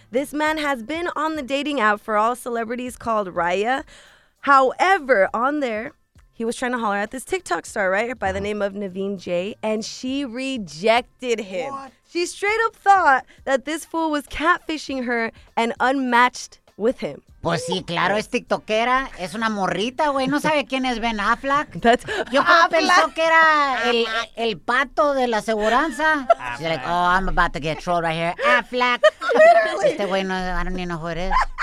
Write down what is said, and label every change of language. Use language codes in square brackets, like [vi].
[en] This man has been on the dating app for all celebrities called Raya. However, on there, he was trying to holler at this TikTok star, right, by the name of Naveen Jay, and she rejected him. What? She straight up thought that this fool was catfishing her and unmatched with him. [es] Pues sí, claro, es tiktokera, es una morrita, güey, no sabe quién es Ben Affleck. [en] That's yo Affleck. [es] Pensó que era el pato de la aseguranza. [en] She's like, oh, I'm about to get trolled right here. Affleck. Literally. [es] Este güey no, [en] I don't even know who it is.